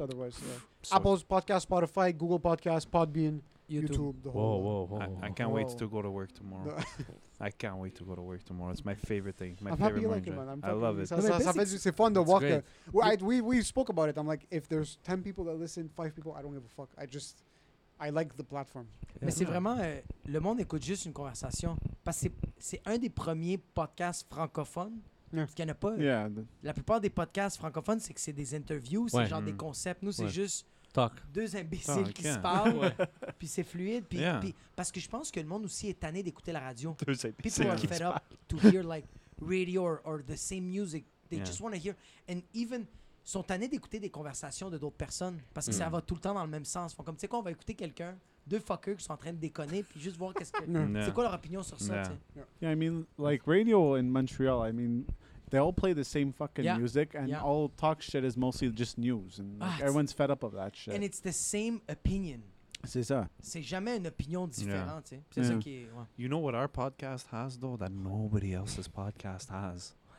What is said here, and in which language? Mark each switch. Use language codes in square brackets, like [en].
[en] Otherwise, Apple's podcast, Spotify, Google Podcasts, Podbean, YouTube. The whole I can't wait to go to work tomorrow. I can't wait to go to work tomorrow. It's my favorite thing. My I'm favorite happy you like it, man. I love it. It's fun to walk there. We spoke about it. I'm like, if there's 10 people that listen, 5 people, I don't give a fuck. I like the platform. Yeah. [fr] Mais c'est vraiment, le monde écoute juste une conversation. Parce que c'est un des premiers podcasts francophones. Parce qu'il n'y en a pas. [en] Yeah. [fr] La plupart des podcasts francophones, c'est que c'est des interviews, c'est genre des concepts. Nous, c'est juste [en] Talk. [fr] Deux imbéciles Talk, qui se parlent. Puis c'est fluide. Puis parce que je pense que le monde aussi est tanné d'écouter la radio. Deux imbéciles [en] People [fr] qui [en] are fed up to hear like radio or the same music. They just want to hear. And even [fr] sont tannés d'écouter des conversations de d'autres personnes parce que ça va tout le temps dans le même sens. Comme, tu sais quoi, on va écouter quelqu'un, deux fuckers qui sont en train de déconner puis juste voir qu'est-ce que c'est quoi leur opinion sur ça, [en] Yeah. Yeah, I mean, like, radio in Montreal, I mean, they all play the same fucking music and all talk shit is mostly just news and like, everyone's fed up of that shit. And it's the same opinion. [fr] C'est ça. C'est jamais une opinion différente, tu sais. C'est ça qui est, [en] You know what our podcast has, though, that nobody else's podcast has?